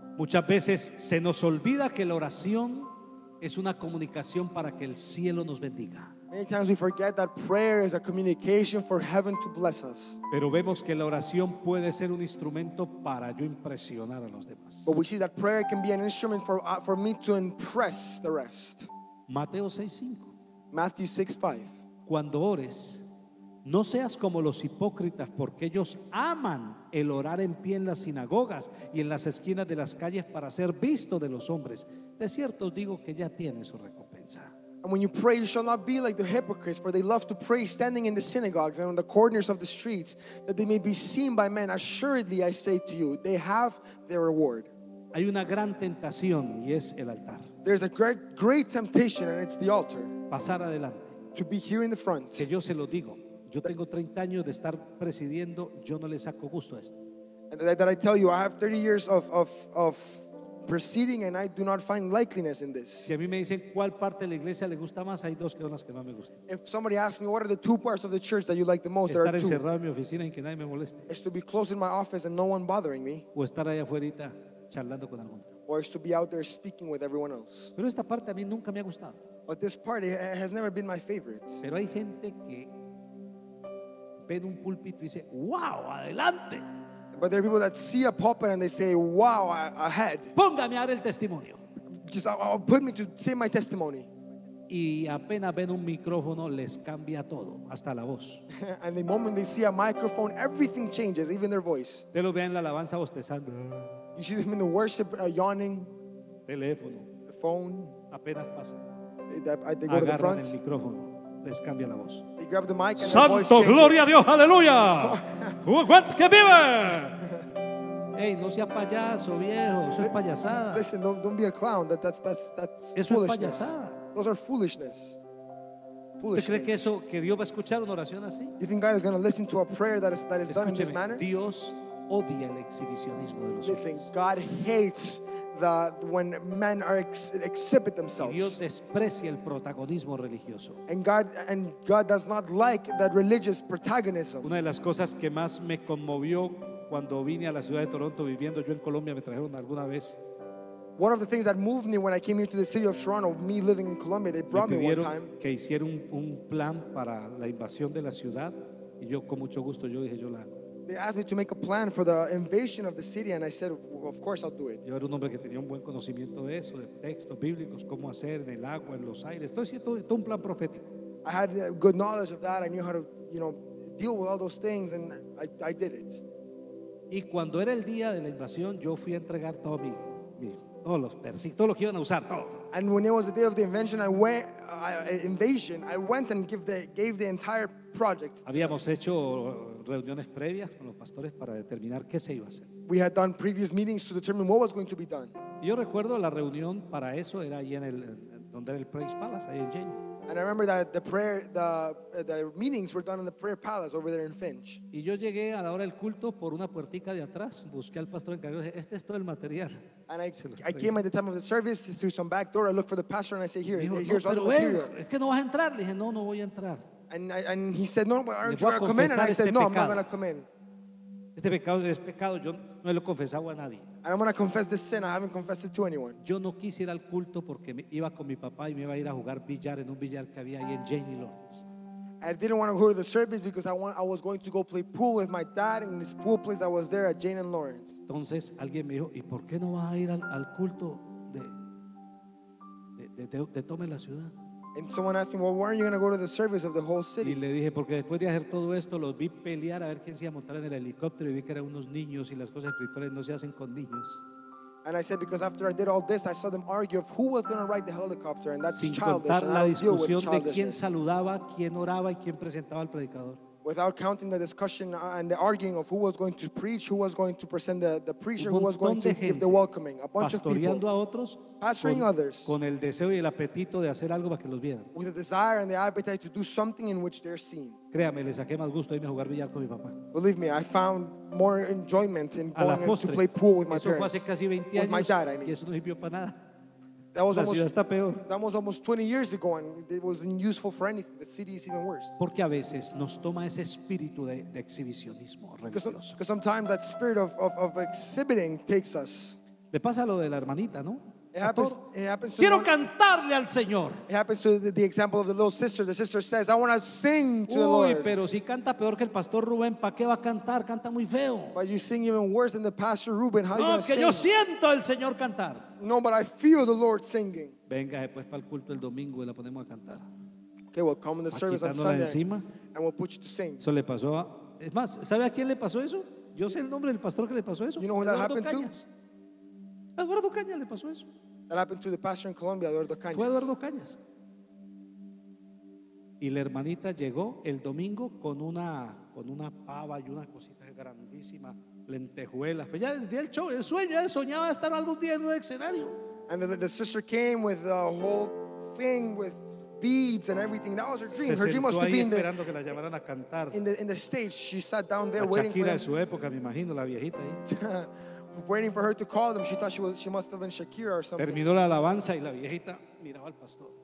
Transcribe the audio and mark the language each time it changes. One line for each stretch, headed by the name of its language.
Spanish: Muchas veces se nos olvida que la oración es una comunicación para que el cielo nos bendiga.
English: Many times we forget that prayer is a communication for heaven to bless us.
Spanish: Pero vemos que la oración puede ser un instrumento para yo impresionar a los demás.
English: But we see that prayer can be an instrument for me to impress the rest.
Spanish: Mateo 6:5.
English: Matthew 6:5.
Spanish: Cuando ores, no seas como los hipócritas, porque ellos aman el orar en pie en las sinagogas y en las esquinas de las calles para ser visto de los hombres. De cierto digo que ya tienen su recompensa.
English: And when you pray, you shall not be like the hypocrites, for they love to pray standing in the synagogues and on the corners of the streets, that they may be seen by men. Assuredly, I say to you, they have their reward.
Spanish: Hay una gran tentación, y es el altar.
English: There's a great temptation, and it's the altar.
Spanish: Pasar adelante.
English: To be here in the front.
Spanish: Que yo se lo digo. Yo tengo 30 años de estar presidiendo, yo no le saco gusto a esto.
English: And that I tell you, I have 30 years of proceeding, and I do not find likeliness in this.
Spanish: Si a mí me dicen cuál parte de la iglesia le gusta más, hay dos que son las que más me gustan.
English: If somebody asks me what are the two parts of the church that you like the most,
Spanish: estar
English: there are two.
Spanish: Estar encerrado en mi oficina y que nadie me moleste.
English: Is to be close in my office and no one bothering me.
Spanish: O estar allá afuera charlando con alguien.
English: Or is to be out there speaking with everyone else.
Spanish: Pero esta parte a mí nunca me ha gustado.
English: But this part has never been my favorite.
Spanish: Pero hay gente que ve un púlpito y dice, wow, adelante.
English: But there are people that see a pulpit and they say, wow, ahead.
Spanish: Póngame a dar el testimonio.
English: Just put me to say my testimony.
Spanish: Y apenas ven un micrófono, les cambia todo, hasta la voz.
English: And the moment they see a microphone, everything changes, even their voice.
Spanish: Te lo vean en la alabanza bostezando.
English: You see them in the worship yawning.
Spanish: Teléfono.
English: The phone.
Spanish: Apenas pasa.
English: They go to the front.
Spanish: El micrófono. Les cambia la voz.
English: They grab the mic and
Spanish: Santo
English: their voice
Spanish: gloria a Dios, aleluya. ¡Que vive! Hey, no sea payaso, viejo, eso es payasada.
English: Listen, don't be a clown. That's
Spanish: eso
English: foolishness.
Spanish: Es payasada.
English: Those are foolishness.
Spanish: ¿Usted cree que eso, que Dios va a escuchar una oración así?
English: You think God is going to listen to a prayer that is
Spanish: Escúcheme,
English: done in this manner?
Spanish: Dios odia el exhibicionismo de los hombres.
English: Listen, God hates when men exhibit themselves.
Spanish: Y Dios desprecia el protagonismo religioso.
English: And God does not like that religious protagonism.
Spanish: Una de las cosas que más me conmovió cuando vine a la ciudad de Toronto viviendo yo en Colombia, me trajeron alguna vez.
English: One of the things that moved me when I came here to the city of Toronto, me living in Colombia, they brought me one time.
Spanish: Que hicieron un plan para la invasión de la ciudad y yo con mucho gusto yo dije yo la hago.
English: They asked me to make a plan for the invasion of the city, and I said, well, of course I'll do it.
Spanish: Yo era un hombre que tenía un buen conocimiento de eso, de textos bíblicos, cómo hacer en el agua, en los aires. Entonces, todo un plan profético.
English: I had good knowledge of that. I knew how to, you know, deal with all those things, and I did it.
Spanish: Y cuando era el día de la invasión, yo fui a entregar todo todos los que iban a usar, todo.
English: And when it was the day of the invasion, I went and gave the entire project.
Spanish: Habíamos hecho reuniones previas con los pastores para determinar qué se iba a hacer.
English: We had done previous meetings to determine what was going to be done.
Spanish: Yo recuerdo la reunión para eso era ahí en el donde era el Praise Palace ahí en Jane.
English: And I remember that the meetings were done in the Prayer Palace over there in Finch.
Spanish: Y yo llegué a la hora del culto por una puertica de atrás, busqué al pastor encargado, dije, este es todo el material.
English: And I came at the time of the service through some back door. I looked for the pastor and I said, here,
Spanish: dijo,
English: here's all the material.
Spanish: Es que no vas a entrar. Le dije, no, no voy a entrar.
English: And he said, no, but aren't you going to come in? And I said, no, I'm not going to come in.
Spanish: Este pecado es pecado. Yo no lo he confesado a nadie.
English: And I'm going to confess this sin. I haven't confessed it to anyone.
Spanish: Yo no quise ir al culto porque iba con mi papá y me iba a ir a jugar billar en un billar que había ahí en Janie Lawrence.
English: I didn't want to go to the service because I was going to go play pool with my dad in this pool place that was there at Janie Lawrence.
Spanish: Entonces alguien me dijo, ¿y por qué no vas a ir al culto de tome la ciudad?
English: And someone asked me, well, why aren't you going to go to the service of the whole city?
Spanish: Y le dije, porque después de hacer todo esto, los vi pelear a ver quién se iba a montar en el helicóptero y vi que eran unos niños y las cosas espirituales no se hacen con niños.
English: And I said, because after I did all this, I saw them argue of who was going to ride the helicopter, and that's childish.
Spanish: Sin contar la discusión de quién saludaba, quién oraba y quién presentaba al predicador.
English: Without counting the discussion and the arguing of who was going to preach, who was going to present the preacher, who was going to give the welcoming, a bunch of people,
Spanish: a otros,
English: pastoring others,
Spanish: con el deseo y el apetito de hacer algo para que los vieran,
English: with the desire and the appetite to do something in which they're seen.
Spanish: Créame, le saqué más gusto irme a jugar billar con mi papá.
English: Believe me, I found more enjoyment in a going to play pool with my
Spanish: eso
English: parents.
Spanish: Fue hace casi 20 años,
English: with my dad, I mean.
Spanish: Y eso no sirvió para nada.
English: That was almost 20 years ago, and it wasn't useful for anything. The city is even worse.
Spanish: Porque a veces nos toma ese espíritu de exhibicionismo religioso.
English: Because sometimes that spirit of exhibiting takes us.
Spanish: Le pasa lo de la hermanita, ¿no? Happens, quiero cantarle al Señor.
English: It happens to the example of the little sister. The sister says, I want to sing to Uy, the Lord.
Spanish: Uy, pero si canta peor que el pastor Rubén, ¿para qué va a cantar? Canta muy feo.
English: But you sing even worse than the pastor Rubén. How
Spanish: no,
English: are you going to sing?
Spanish: No, que yo siento al Señor cantar.
English: No, but I feel the Lord singing.
Spanish: Venga después para el culto el domingo y la ponemos a cantar.
English: Okay, we'll come in the service on Sunday.
Spanish: Encima.
English: And we'll put you to sing.
Spanish: Eso le pasó a... Es más, ¿sabe a quién le pasó eso? Yo sé el nombre del pastor que le pasó eso.
English: You know when that happened to?
Spanish: Eduardo Cañas le pasó eso.
English: That happened to the pastor in Colombia, Eduardo Cañas.
Spanish: Fue Eduardo Cañas. Y la hermanita llegó el domingo con una pava y una cosita grandísima, lentejuelas. Pues ya desde el show, el sueño, ya soñaba estar algún día en un escenario.
English: And the sister came with a whole thing with beads and everything. That was her dream. Her dream was to be in the stage. She sat down there waiting for
Spanish: Shakira de su época, me imagino, la viejita ahí.
English: Waiting for her to call them. She thought she must have been Shakira or something.
Spanish: Terminó la alabanza y la viejita miraba al pastor.